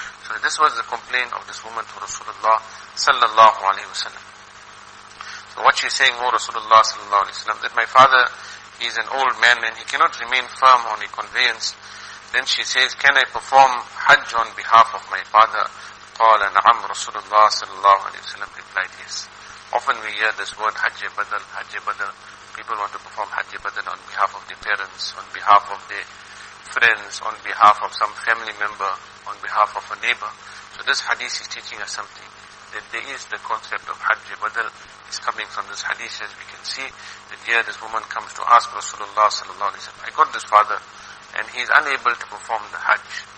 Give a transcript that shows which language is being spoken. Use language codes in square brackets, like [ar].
[en] So this was the complaint of this woman to Rasulullah sallallahu alayhi wa sallam. So what she's saying, O Rasulullah sallallahu alayhi wa sallam, that my father, he's an old man and he cannot remain firm on a conveyance. Then she says, can I perform Hajj on behalf of my father? [ar] قَالَ نَعَمْ رَسُولُ اللَّهِ صَلَى اللَّهُ عَلَيْهِ وَسَلَّمْ [en] replied, yes. Often we hear this word Hajj Badal, Hajj Badal. People want to perform Hajj Badal on behalf of their parents, on behalf of their friends, on behalf of some family member, on behalf of a neighbor. So this hadith is teaching us something, that there is the concept of Hajj Badal. It's coming from this hadith, as we can see, that here this woman comes to ask Rasulullah sallallahu alayhi wa sallam, I got this father, and he is unable to perform the Hajj.